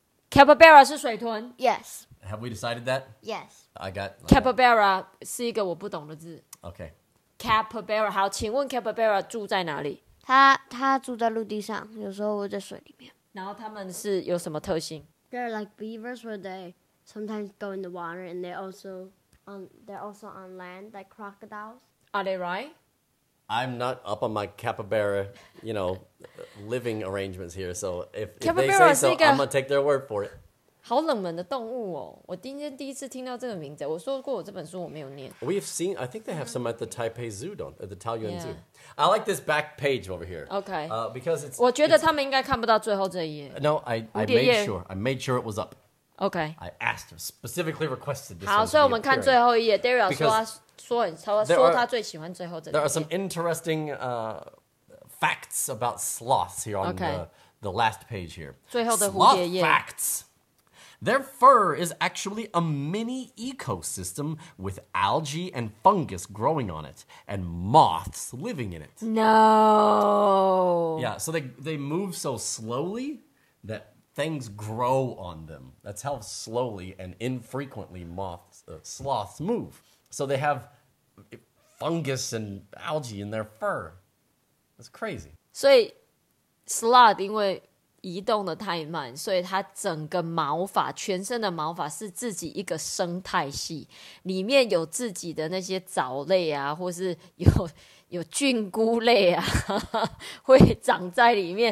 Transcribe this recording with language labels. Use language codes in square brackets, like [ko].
[zh] Capybara 是水豚。 [en] Yes. Have we decided that? Yes. I got... [zh] Capybara 是一个我不懂的字。 [en] Okay. [zh] Capybara, 好，请问 Capybara 住在哪里？它住在陆地上，有时候会在水里面。然后它们是有什么特性？ [en] They're like beavers where they sometimes go in the water and they're also on land, like crocodiles. Are they right? I'm not up on my Capybara, you know, living arrangements here, so if they say so, I'm going to take their word for it. [zh] 好冷门的动物哦！我今天第一次听到这个名字。我说过我这本书我没有念。 [en] We have seen, I think they have some at the Taipei Zoo, at the Taoyuan Zoo. I like this back page over here. Okay. Because it's. [zh] 我觉得他们应该看不到最后这一页。 [en] No, I made sure it was up. Okay. I asked, specifically requested this. [zh] 好，所以我们看最后一页。 Daryl 说他最喜欢最后这页。 [en] There are some interesting facts about sloths here on the last page here. [zh] 最后的蝴蝶页。 [en] Sloth facts. Their fur is actually a mini ecosystem with algae and fungus growing on it and moths living in it. No. Yeah, so they move so slowly that things grow on them. That's how slowly and infrequently sloths move. So they have fungus and algae in their fur. That's crazy. So, sloth, because... [zh] 移动的太慢，所以它整个毛发，全身的毛发是自己一个生态系，里面有自己的那些藻类啊，或是有菌菇类啊，会长在里面。